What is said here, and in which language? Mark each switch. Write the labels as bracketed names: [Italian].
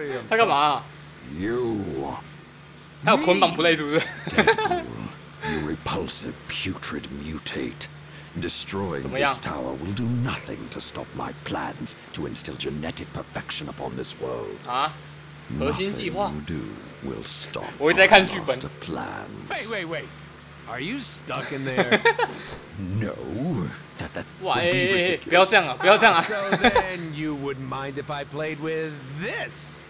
[Chinese] 他干嘛、啊？他有捆绑 play 是不是？ [English] You repulsive putrid mutate. Destroying this tower will do nothing to stop my plans to instill genetic perfection upon this world. [Chinese] 啊？核心计划。我一直在看剧本。 [English] Wait. Are you stuck in there? No. [Chinese] 哇，哎，不要这样啊，不要这样啊。 [English] So then you wouldn't mind if I played with this?